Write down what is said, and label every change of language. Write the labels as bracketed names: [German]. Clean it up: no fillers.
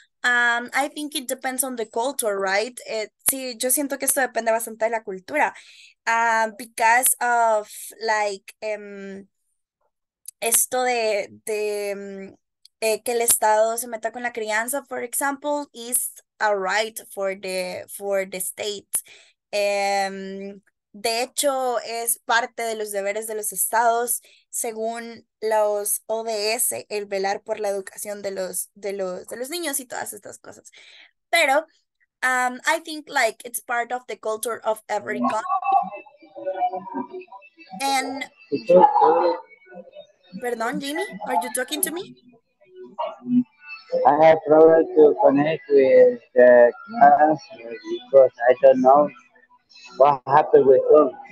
[English] I think it depends on the culture, right? [Spanish] Sí, yo siento que esto depende bastante de la cultura. [English] Because of, like, [Spanish] esto de que el Estado se meta con la crianza, [English] for example, is a right for the state. [Spanish] De hecho, es parte de los deberes de los estados, según los ODS, el velar por la educación de los niños y todas estas cosas. [English] Pero, I think, like, it's part of the culture of every country. And, perdón, Jimmy, are you talking to me? I have trouble to connect with the class because I don't know what happened with them.